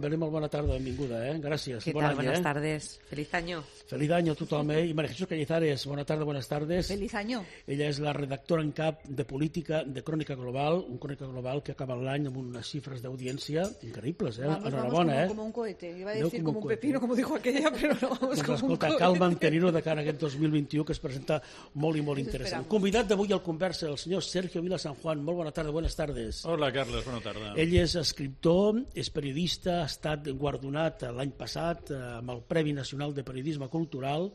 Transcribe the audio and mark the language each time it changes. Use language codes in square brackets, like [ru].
[ca] Belén, molt bona tarda, benvinguda. Gràcies. Què tal? [es] Buenas tardes. Feliz año. Feliz año [ca] a tothom. I María Jesús Cañizares, bona tarda, [es] buenas tardes. Feliz año. [ca] Ella és la redactora en cap de política de Crònica Global, un Crònica Global que acaba l'any amb unes xifres d'audiència increïbles. Enhorabona. [es] Vamos como un cohete. Iba a decir como un pepino, como dijo aquella, pero no, vamos como un cohete. [ca] Cal mantenir-ho de cara a aquest 2021 que es presenta molt i molt interessant. Convidat d'avui al Conversa, el senyor Sergio Vila San Juan. Molt bona tarda, [es] buenas tardes. [ca] Hola, Carles, bona tarda. Ell és escriptor, és periodista, ha estat guardonat l'any passat amb el Premi Nacional de Periodisme Cultural.